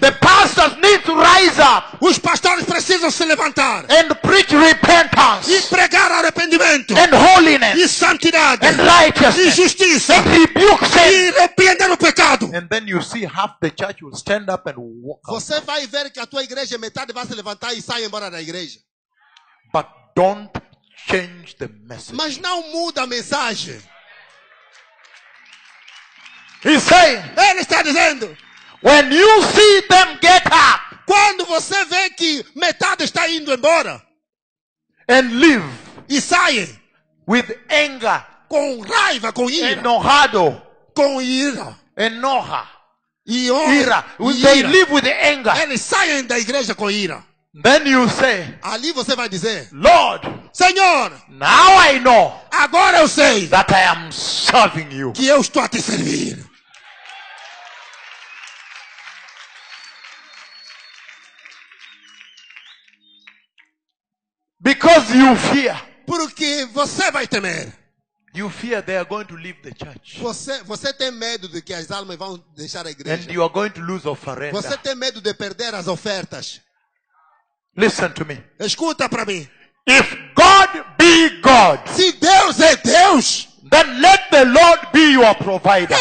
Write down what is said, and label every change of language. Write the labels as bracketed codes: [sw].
[en] The pastors need to rise up. [pt] Os pastores precisam se levantar. [en] And preach repentance. [pt] E pregar arrependimento. [en] And holiness. [pt] E santidade. [en] And righteousness. [pt] E justiça. [en] And rebuke sin. [pt] E repreender o pecado. [en] And then you see half the church will stand up and walk. [pt] Você vai ver que a tua igreja metade vai se levantar e sai embora da igreja. [en] But don't change the message. [pt] Mas não muda a mensagem. [en] He's saying, [pt] ele está dizendo, [en] when you see them get up, [pt] quando você vê que metade está indo embora, [en] and leave, [pt] e sai, [en] with anger, [pt] com raiva, com ira, enojado, com ira, enoja, e honra, [en] ira, they leave with anger, [pt] ele sai da igreja com ira. [en] Then you say, [pt] ali você vai dizer, [en] Lord, [pt] Senhor, [en] now I know, [pt] agora eu sei, [en] that I am serving you, [pt] que eu estou a te servir. [en] Because you fear, [pt] porque você vai temer. [en] You fear they are going to leave the church. [pt] Você tem medo de que as almas vão deixar a igreja. [en] And you are going to lose offerings. [pt] Você tem medo de perder as ofertas. [en] Listen to me. [pt] Escuta para mim. [en] If God be God, [pt] se Deus é Deus, [en] then let the Lord be your provider.